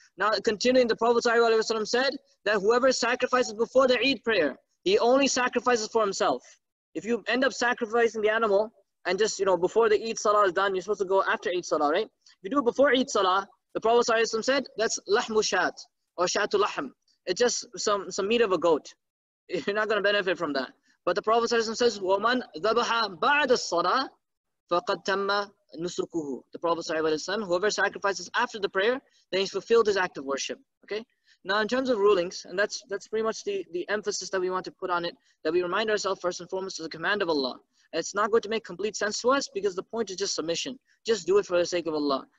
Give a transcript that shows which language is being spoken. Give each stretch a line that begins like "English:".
English: Now, continuing, the Prophet ﷺ said that whoever sacrifices before the Eid prayer, he only sacrifices for himself. If you end up sacrificing the animal, and just, you know, before the Eid Salah is done, you're supposed to go after Eid Salah, right? If you do it before Eid Salah, the Prophet ﷺ said, that's
Arabic: lahmu shat,
English: or
Arabic: shatu lahm.
English: It's just some meat of a goat. You're not going to benefit from that. But the Prophet says,
Arabic: وَمَنْ ذَبَحَ بَعْدَ الصَّلَاةِ فَقَدْ تَمَّ نُسُكُهُ.
English: The Prophet says, whoever sacrifices after the prayer, then he's fulfilled his act of worship. Okay? Now, in terms of rulings, and that's pretty much the emphasis that we want to put on it, that we remind ourselves first and foremost is the command of Allah. It's not going to make complete sense to us because the point is just submission. Just do it for the sake of Allah.